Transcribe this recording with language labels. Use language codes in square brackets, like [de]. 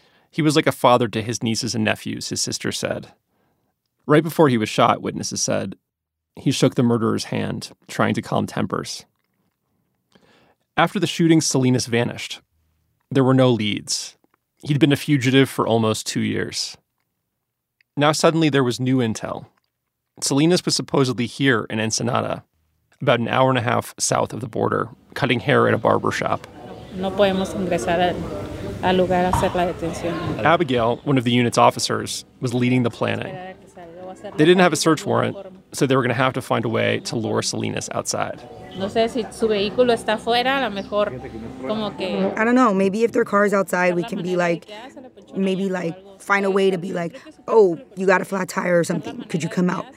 [en] He was like a father to his nieces and nephews, his sister said. Right before he was shot, witnesses said, he shook the murderer's hand, trying to calm tempers. After the shooting, Salinas vanished. there were no leads. He'd been a fugitive for almost 2 years. Now suddenly there was new intel. Salinas was supposedly here in Ensenada, about an hour and a half south of the border, cutting hair at a barber shop. [es] No podemos ingresar al lugar a hacer la detención. [en] Abigail, one of the unit's officers, was leading the planning. They didn't have a search warrant, so they were going to have to find a way to lure Salinas outside. I don't know. Maybe if their car is outside, we can be like, maybe like find a way to be like, oh, you got a flat tire or something. Could you come out?